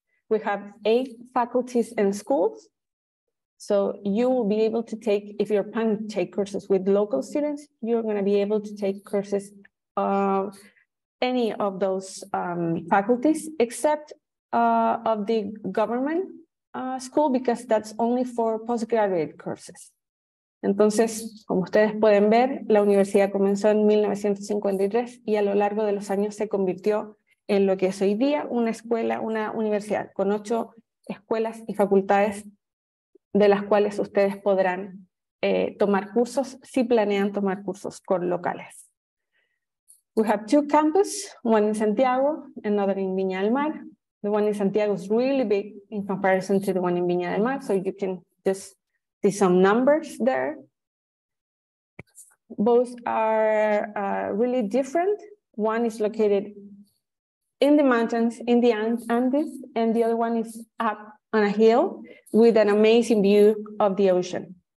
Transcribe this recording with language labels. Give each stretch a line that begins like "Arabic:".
English: We have 8 faculties and schools. So you will be able to take, if you're planning to take courses with local students, you're going to be able to take courses any of those faculties, except of the government school, because that's only for postgraduate courses.
Spanish: Entonces, como ustedes pueden ver, la universidad comenzó en 1953 y a lo largo de los años se convirtió en lo que es hoy día una escuela, una universidad, con 8 escuelas y facultades de las cuales ustedes podrán tomar cursos si planean tomar cursos con locales.
English: We have 2 campuses, one in Santiago, another in Viña del Mar. The one in Santiago is really big in comparison to the one in Viña del Mar, so you can just see some numbers there. Both are really different. One is located in the mountains, in the Andes, and the other one is up on a hill with an amazing view of the ocean.